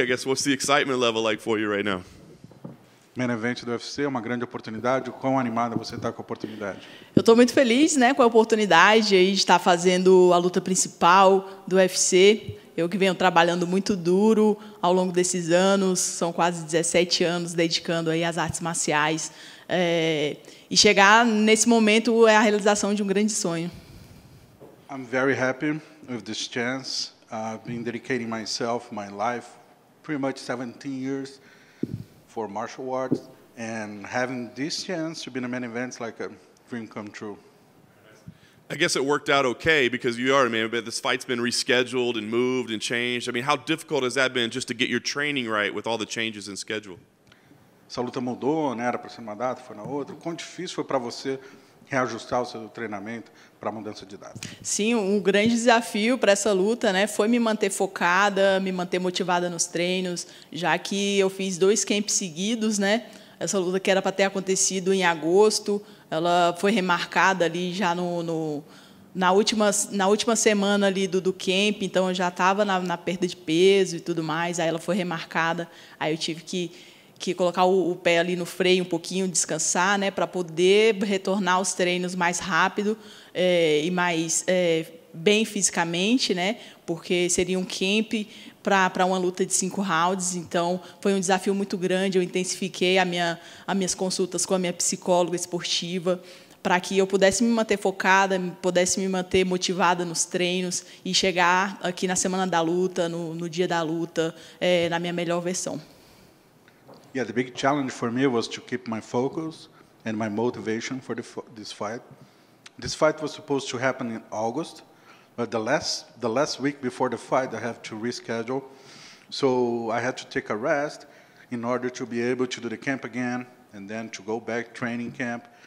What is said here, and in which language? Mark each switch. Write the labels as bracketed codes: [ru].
[en] I guess, what's the excitement level like for you right now? [pt] Main event do UFC, uma grande oportunidade. Quão animada você está com a oportunidade? Eu estou muito feliz, né, com a oportunidade aí de estar fazendo a luta principal do UFC. Eu que venho trabalhando muito duro ao longo desses anos, são quase 17 anos dedicando aí às artes marciais. E chegar nesse momento é a realização de um grande sonho. [en] I'm very happy with this chance. I've been dedicating myself, my life, pretty much 17 years for martial arts, and having this chance to be in a main event is like a dream come true. I guess it worked out okay because you are a man, but this fight's been rescheduled and moved and changed. I mean, how difficult has that been just to get your training right with all the changes in schedule? [pt] Essa luta mudou, né? Era para ser uma data, foi na outra. Quão difícil foi para você reajustar o seu treinamento para a mudança de data? Sim, um grande desafio para essa luta, né, foi me manter focada, me manter motivada nos treinos, já que eu fiz dois camps seguidos, né? Essa luta que era para ter acontecido em agosto, ela foi remarcada ali já na última semana ali do camp, então eu já estava na perda de peso e tudo mais, aí ela foi remarcada, aí eu tive que colocar o pé ali no freio um pouquinho, descansar, né, para poder retornar aos treinos mais rápido e mais bem fisicamente, né, porque seria um camp para uma luta de 5 rounds, então foi um desafio muito grande. Eu intensifiquei as minhas consultas com a minha psicóloga esportiva para que eu pudesse me manter focada, pudesse me manter motivada nos treinos e chegar aqui na semana da luta, no dia da luta, na minha melhor versão. [en] Yeah, the big challenge for me was to keep my focus and my motivation for this fight. This fight was supposed to happen in August, but the last week before the fight, I have to reschedule. So I had to take a rest in order to be able to do the camp again and then to go back training camp.